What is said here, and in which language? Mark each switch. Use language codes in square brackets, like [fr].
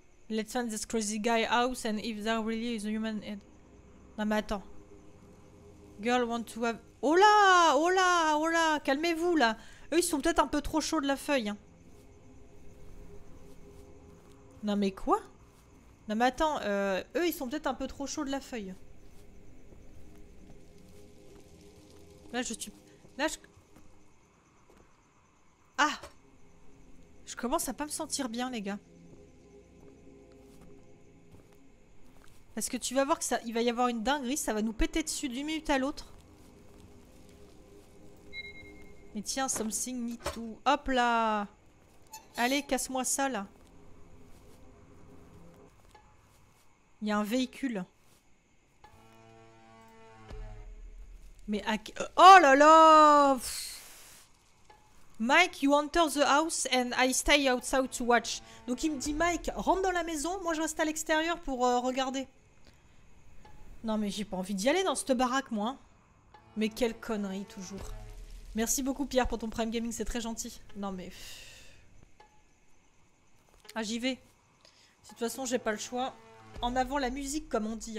[en] Let's find this crazy guy house and if there really is a human head. [fr] Non mais attends. [en] Girl want to have... [fr] Oh là, calmez-vous là. Eux ils sont peut-être un peu trop chauds de la feuille. Hein. Non mais quoi? Non mais attends, eux ils sont peut-être un peu trop chauds de la feuille. Là je suis... Là je... Ah! Je commence à pas me sentir bien les gars. Parce que tu vas voir que ça, il va y avoir une dinguerie, ça va nous péter dessus d'une minute à l'autre. Mais tiens, [en] something need to... [fr] Hop là! Allez, casse-moi ça là. Il y a un véhicule. Mais à... Oh là là! [en] Mike, you enter the house and I stay outside to watch. [fr] Donc il me dit, Mike, rentre dans la maison, moi je reste à l'extérieur pour regarder. Non mais j'ai pas envie d'y aller dans cette baraque, moi. Mais quelle connerie, toujours. Merci beaucoup, Pierre, pour ton Prime Gaming, c'est très gentil. Non mais... Ah, j'y vais. De toute façon, j'ai pas le choix. En avant la musique, comme on dit.